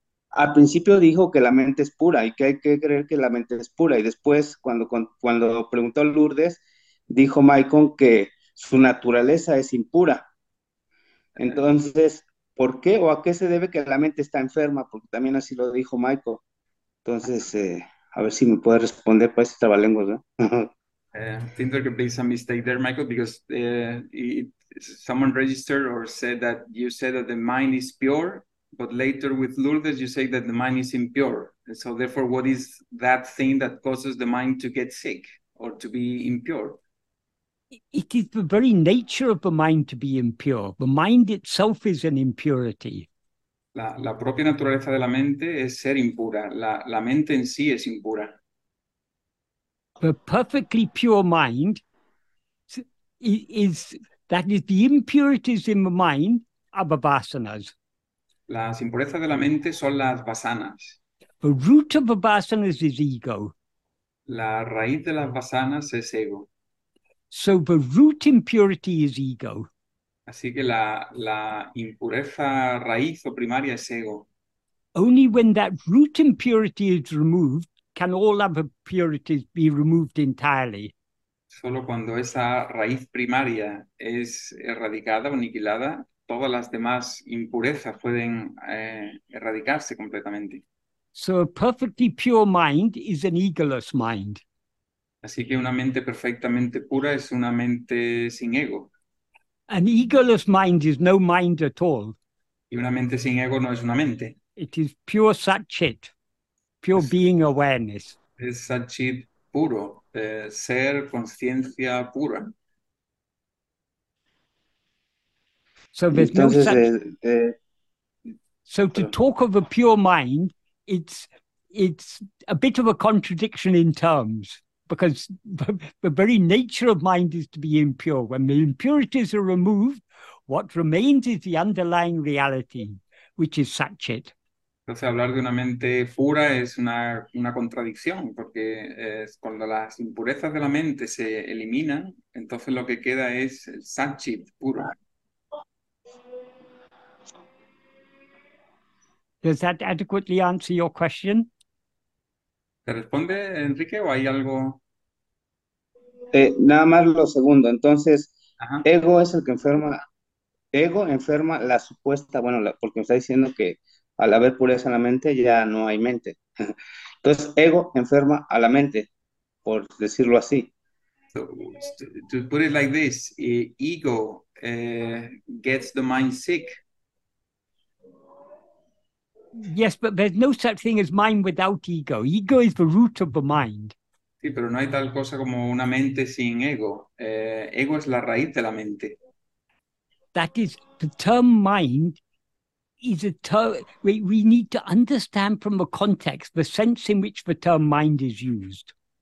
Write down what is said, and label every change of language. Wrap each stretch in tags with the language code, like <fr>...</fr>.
<es>Al principio dijo que la mente es pura y que hay que creer que la mente es pura. Y después, cuando preguntó a Lourdes, dijo Maicon que su naturaleza es impura. Entonces, ¿por qué o a qué se debe que la mente está enferma? Porque también así lo dijo Maicon. Entonces, a ver si me puede responder para ese trabalengo, ¿no?</es> <en>I think there could be some mistake there, Michael, because someone registered or said that you said that the mind is pure, but later with Lourdes you say that the mind is impure. And so therefore, what is that thing that causes the mind to get sick or to be impure? It is the very nature of the mind to be impure. The mind itself is an impurity.</en> <es>La propia naturaleza de la mente es ser impura. La mente en sí es impura.</es> <en>The perfectly pure mind is that is the impurities in the mind are the vasanas.</en> <es>Las impurezas de la mente son las vasanas.</es> <en>The root of the vasanas is ego.</en> <es>La raíz de las vasanas es ego.</es> <en>So the root impurity is ego.</en> <es>Así que la impureza raíz o primaria es ego.</es> <en>Only when that root impurity is removed can all other purities be removed entirely.</en> <es>Solo cuando esa raíz primaria es erradicada o aniquilada, todas las demás impurezas pueden erradicarse completamente.</es> <en>So a perfectly pure mind is an egoless mind.</en> <es>Así que una mente perfectamente pura es una mente sin ego.</es> <en>An egoless mind is no mind at all.</en> <es>Y una mente sin ego no es una mente.</es> <en>It is pure satchit, pure</en> <es>Es</es> <en>being awareness.</en> <es>sachit puro, ser conciencia pura.</es> <en>So there's no</en> <es>Entonces,</es> <en>such. So to talk of a pure mind, it's a bit of a contradiction in terms. Because the very nature of mind is to be impure. When the impurities are removed, what remains is the underlying reality, which is satchit.</en> <es>entonces, hablar de una mente pura es una contradicción, porque cuando las impurezas de la mente se eliminan, entonces lo que queda es el satchit puro.</es> <en>Does that adequately answer your question?</en> <es>¿Te responde, Enrique, o hay algo? Nada más lo segundo. Entonces, Ajá. ego es el que enferma. Ego enferma la supuesta, bueno, porque me está diciendo que al haber pureza en la mente ya no hay mente. Entonces, ego enferma a la mente, por decirlo así.</es> <en>To put it like this, ego gets the mind sick. Yes, but there's no such thing as mind without ego. Ego is the root of the mind.</en> <es>Sí, pero no hay tal cosa como una mente sin ego. Ego es la raíz de la mente.</es> <en>That is, the term mind is a term we need to understand from the context, the sense in which the term mind is used.</en>